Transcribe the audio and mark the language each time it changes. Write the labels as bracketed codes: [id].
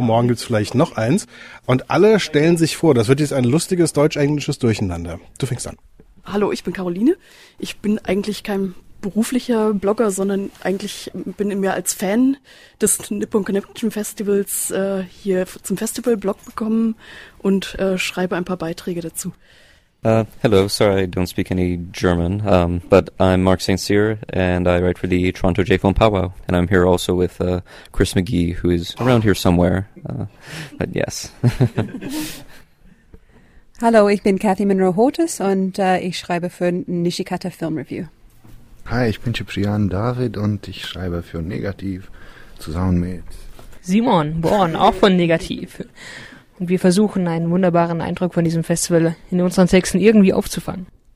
[de] Morgen gibt's vielleicht noch eins. Und alle stellen sich vor, das wird jetzt ein lustiges deutsch-englisches Durcheinander. Du fängst an. Hallo, ich bin Caroline. Ich bin eigentlich kein beruflicher Blogger, sondern eigentlich bin ich mehr als Fan des Nippon Connection Festivals hier zum Festival-Blog gekommen und schreibe ein paar Beiträge dazu. [en] Hello, sorry I don't speak any German, but I'm Mark St. Cyr and I write for the Toronto J-Phone Powwow, and I'm here also with Chris McGee, who is around here somewhere, but yes. [de] Hallo, ich bin Kathy Monroe-Hortis und ich schreibe für Nishikata Film Review. Hi, ich bin Cyprian David und ich schreibe für Negativ zusammen mit Simon Born, auch von Negativ. Und wir versuchen, einen wunderbaren Eindruck von diesem Festival in unseren Texten irgendwie aufzufangen.